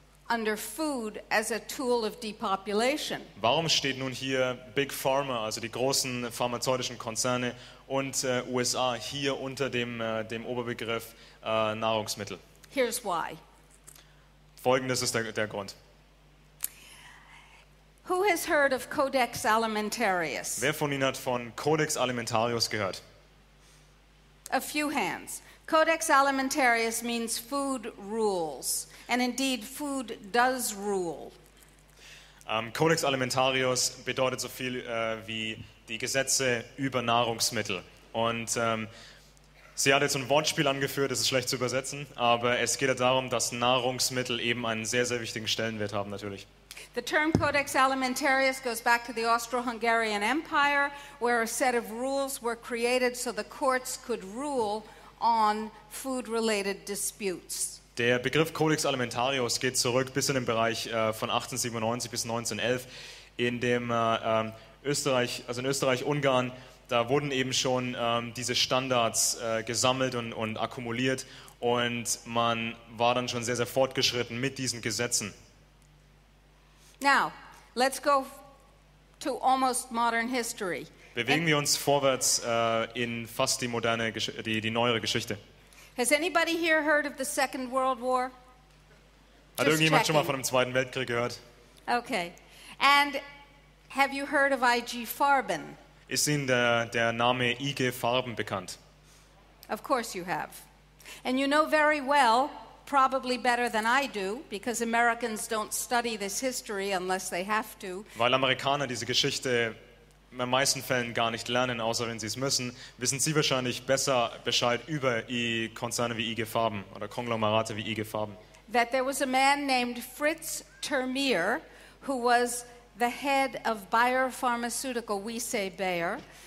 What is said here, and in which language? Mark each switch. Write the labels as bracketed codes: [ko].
[en] under food as a tool of depopulation? [de] Warum steht nun hier Big Pharma, also die großen pharmazeutischen Konzerne und USA hier unter dem Oberbegriff Nahrungsmittel? [en] Here's why. [de] Folgendes ist der Grund. [en] Who has heard of Codex Alimentarius? [de] Wer von Ihnen hat von Codex Alimentarius gehört? [en] A few hands. Codex Alimentarius means food rules, and indeed food does rule. [de] Codex Alimentarius bedeutet so viel wie die Gesetze über Nahrungsmittel. Und sie hat jetzt ein Wortspiel angeführt, das ist schlecht zu übersetzen, aber es geht ja darum, dass Nahrungsmittel eben einen sehr, sehr wichtigen Stellenwert haben natürlich. [en] The term Codex Alimentarius goes back to the Austro-Hungarian Empire, where a set of rules were created so the courts could rule on food-related disputes. [de] Der Begriff Codex Alimentarius geht zurück bis in den Bereich von 1897 bis 1911, in dem Österreich, also in Österreich-Ungarn, da wurden eben schon diese Standards gesammelt und akkumuliert, und man war dann schon sehr, sehr fortgeschritten mit diesen Gesetzen. [en] Now, let's go to almost modern history. [de] Bewegen wir uns vorwärts in fast die moderne, die neuere Geschichte. [en] Has anybody here heard of the Second World War? [de] Hat irgendjemand schon mal von dem Zweiten Weltkrieg gehört? [en] Okay. And have you heard of IG Farben? [de] Ist Ihnen der Name IG Farben bekannt? [en] Of course you have. And you know very well, probably better than I do, because Americans don't study this history unless they have to. [de] Weil Amerikaner diese Geschichte in den meisten Fällen gar nicht lernen, außer wenn sie es müssen, wissen sie wahrscheinlich besser Bescheid über Konzerne wie IG Farben oder Konglomerate wie IG Farben. [en] That there was a man named Fritz Termeer, who was the head of Bayer Pharmaceutical, we say Bayer.